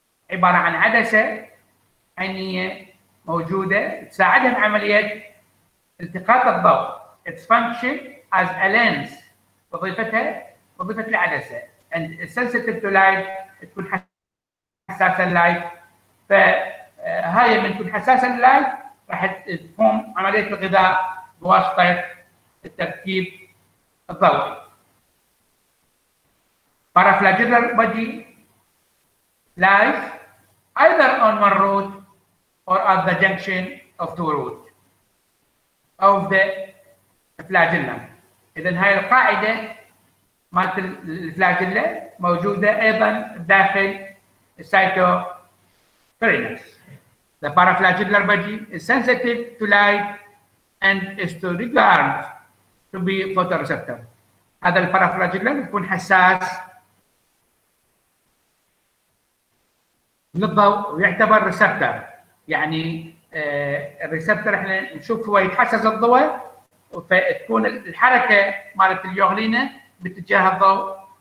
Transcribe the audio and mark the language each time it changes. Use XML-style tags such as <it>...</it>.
<ar>عبارة عن عدسة عينية موجودة تساعدها بعملية التقاط الضوء</ar> <en>its function as a lens</en> <ar>وظيفتها وظيفة العدسة</ar> <en>and sensitive to light</en> <ar>تكون حساسة لللايت فهاي من تكون حساسة لللايت راح تقوم عملية الغذاء بواسطة التركيب الضوئي.</ar> <en>Paraflagellar body lies either on one root or at the junction of two roots of the flagellum.</en> <ar>إذن هاي القاعدة مالت الفلاجيلا موجودة أيضا داخل السيتوكرينس.</ar> <en>The paraflagellar body is sensitive to light and is to regard to be photoreceptor.</en> <ar>هذا الparaflagellar يكون حساس للضوء ويعتبر ريسبتر. يعني الريسبتر احنا نشوف هو يتحسس الضوء فتكون الحركة مالت اليوغلينة باتجاه الضوء.</ar>